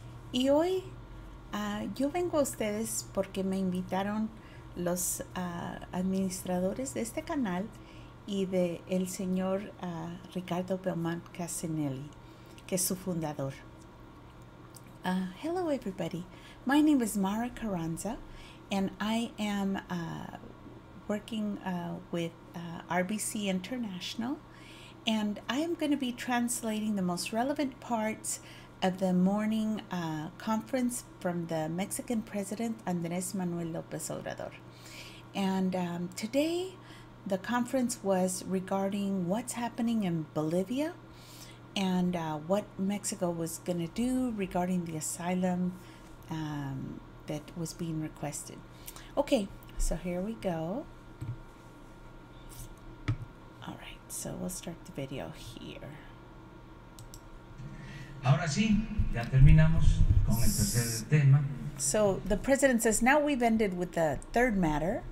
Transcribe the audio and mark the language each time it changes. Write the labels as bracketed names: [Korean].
[Spanish] Y hoy yo vengo a ustedes porque me invitaron los administradores de este canal y del señor Ricardo Belman Casinelli, que es su fundador. [English] Hello, everybody. My name is Mara Carranza, and I am working with RBC International, and I am going to be translating the most relevant parts of the morning conference from the Mexican President Andrés Manuel López Obrador. And today the conference was regarding what's happening in Bolivia and what Mexico was going to do regarding the asylum that was being requested. Okay, so here we go. So we'll start the video here. [Spanish] Ahora sí, ya terminamos con el tercer tema. [English] So the president says, now we've ended with the third matter.